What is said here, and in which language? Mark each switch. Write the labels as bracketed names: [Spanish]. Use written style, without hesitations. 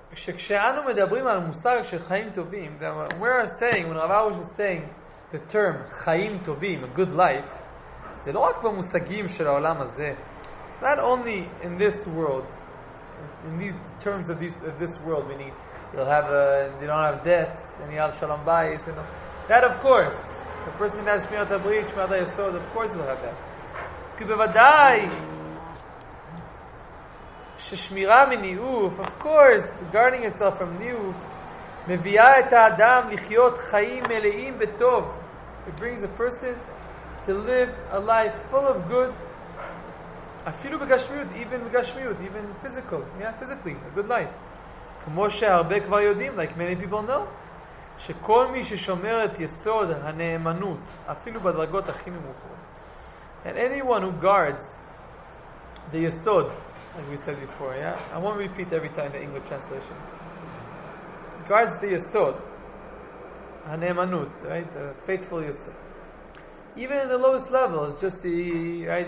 [Hebrew] שכשאנו מדברים על מושג של חיים טובים, [English] we're saying, when Rav Arush is saying the term [Hebrew] חיים טובים, [English] a good life, [Hebrew] זה לא רק במושגים של העולם הזה. [English] It's not only in this world, in these terms of this world, meaning you'll have you don't have debts, and you have shalom bayis, and that of course, the person that has [Hebrew] שמירת הברית, שמירת היסוד, [English] of course you'll have that. [Hebrew] כי בוודאי, ששמירה מניעוף, [English] of course, guarding yourself from niuf, [Hebrew] מביאה את האדם לחיות חיים מלאים בטוב. [English] It brings a person to live a life full of good, [Hebrew] אפילו בגשמיות, [English] even בגשמיות, even physical, yeah, physically, a good life. [Hebrew] כמו שהרבה כבר יודעים, [English] like many people know, [Hebrew] שכל מי ששומר את יסוד הנאמנות, אפילו בדרגות הכי נמוכות. [English] And anyone who guards the yesod, like we said before, yeah? I won't repeat every time the English translation. Guards the yesod. Hanemanut, right? The faithful yesod. Even in the lowest level, it's just right?